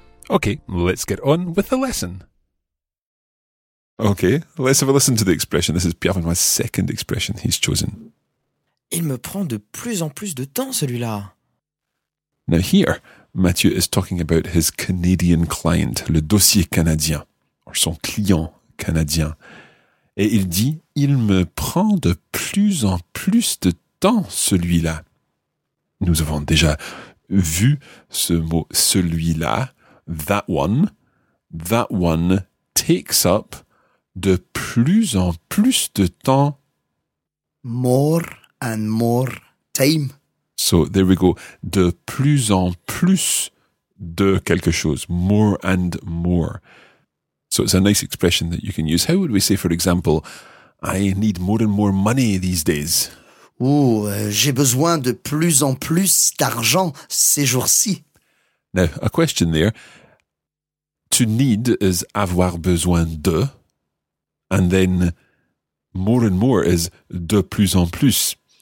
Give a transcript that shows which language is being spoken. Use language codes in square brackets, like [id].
[en] Okay, let's get on with the lesson. Okay, let's have a listen to the expression. This is Pierre Van Wa's second expression he's chosen. [fr] Il me prend de plus en plus de temps, celui-là. [en] Now here, Mathieu is talking about his Canadian client, [fr] le dossier canadien, [en] or [fr] son client canadien. Et il dit, il me prend de plus en plus de temps, celui-là. Nous avons déjà vu ce mot, celui-là. [en] That one takes up [fr] de plus en plus de temps. [en] More and more time. So there we go. [fr] De plus en plus de quelque chose. [en] More and more. So it's a nice expression that you can use. How would we say, for example, I need more and more money these days? [fr] Oh, j'ai besoin de plus en plus d'argent ces jours-ci. [en] Now, a question there. To need is [fr] avoir besoin de, [en] and then more and more is [fr] de plus en plus.